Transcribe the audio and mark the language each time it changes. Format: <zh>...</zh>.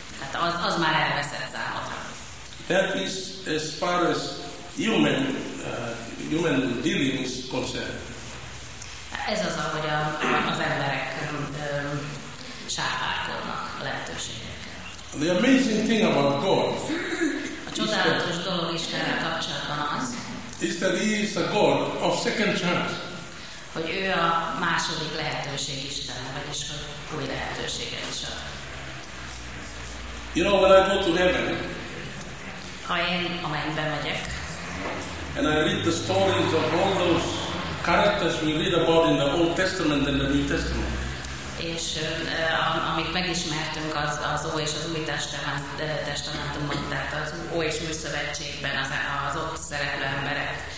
<hu>Hát az már elveszett számodra.</hu> <en>That is as far as human dealing is concerned.</en> <hu>Ez az, ahogy az emberek sárvárkodnak a lehetőségekkel.</hu> <en>The amazing thing about God.</en> <hu>A csodálatos dolog Istennel kapcsolatban az.</hu> <en>Is that he is a God of second chance.</en> <hu>Hogy ő a második lehetőség Istene, vagyis hogy új lehetőséget is ad.</hu> <en>You know, when I go to heaven.</en> <hu>Ha én a mennybe megyek.</hu> <en>And I read the stories of all those characters we read about in the Old Testament and the New Testament.</en> <hu>És amit megismertünk az Ó és az Új Testamentumban, tehát az Ó és Új Szövetségben az ott szereplő emberek.</hu>